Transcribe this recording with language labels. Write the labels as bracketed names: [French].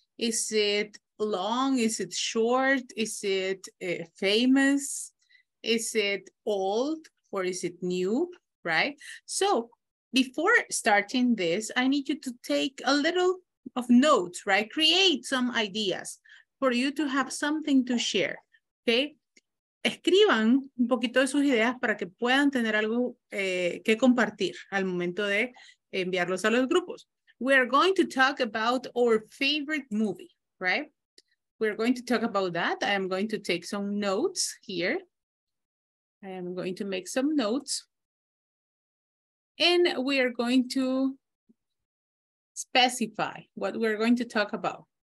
[English] Is it long? Is it short? Is it famous? Is it old or is it new, right? So before starting this, I need you to take a little of notes, right? Create some ideas for you to have something to share, okay? [Spanish] Escriban un poquito de sus ideas para que puedan tener algo que compartir al momento de enviarlos a los grupos. [English] We are going to talk about our favorite movie, right? We're going to talk about that. I am going to take some notes here. I am going to make some notes. And we are going to specify what we're going to talk about.